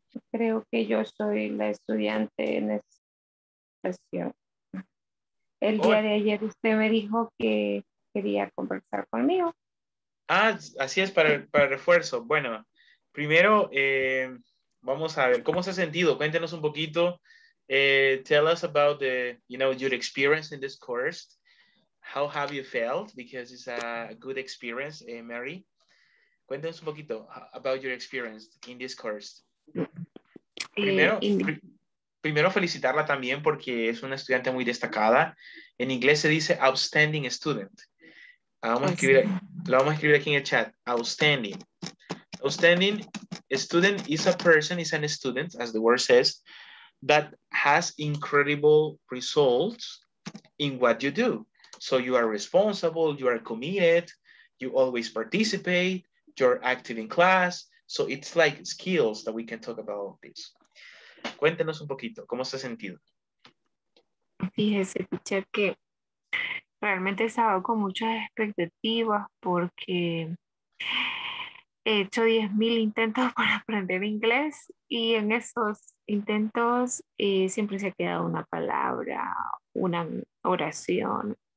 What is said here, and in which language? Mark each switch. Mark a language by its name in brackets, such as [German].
[Spanish] Creo que yo soy la estudiante en educación. El día de ayer usted me dijo que quería conversar conmigo. Ah, así es, para refuerzo. Bueno, primero vamos a ver cómo se ha sentido. Cuéntenos un poquito. [English] Tell us about the, you know, your experience in this course. How have you felt? Because it's a good experience, Mary. [Spanish] Cuéntanos un poquito [English] about your experience in this course. [Spanish] Primero felicitarla también porque es una estudiante muy destacada. En inglés se dice outstanding student. Lo vamos a escribir aquí en el chat. [English] Outstanding. Outstanding student is a person, is an student, as the word says, that has incredible results in what you do. So you are responsible, you are committed, you always participate, you're active in class. So it's like skills that we can talk about this. [Spanish] Cuéntenos un poquito, ¿cómo se ha sentido? Fíjese, teacher, que realmente estaba con muchas expectativas porque he hecho 10,000 intentos para aprender inglés y en esos intentos siempre se ha quedado una palabra, una oración.